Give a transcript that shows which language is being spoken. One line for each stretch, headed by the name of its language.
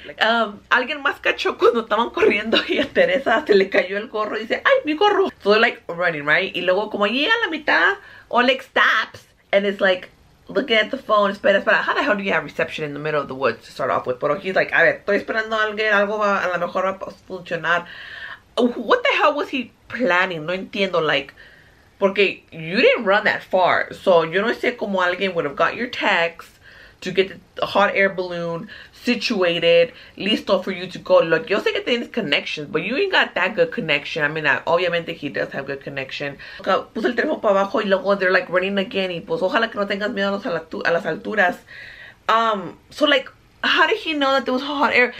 Spanish: Like, alguien más cachó cuando estaban corriendo y a Teresa se le cayó el gorro y dice, ¡ay, mi gorro!
English: So they're like running, right?
Spanish: Y luego como llega a la mitad, Oleg stops.
English: And it's like looking at the phone, espera. How the hell do you have reception in the middle of the woods to start off with?
Spanish: Pero
English: he's like,
Spanish: a ver, estoy esperando a alguien, algo va, a lo mejor va a funcionar.
English: What the hell was he planning?
Spanish: No entiendo,
English: like, porque you didn't run that far. So,
Spanish: yo no sé cómo alguien
English: would have got your text to get the hot air balloon situated, listo for you to go. Look,
Spanish: yo sé que tienes
English: connections, but you ain't got that good connection. I mean, obviamente he does have good connection.
Spanish: Puse el teléfono para abajo y luego
English: they're like running again.
Spanish: Y pues, ojalá que no tengas miedo a las alturas.
English: So, like, how did he know that there was hot air?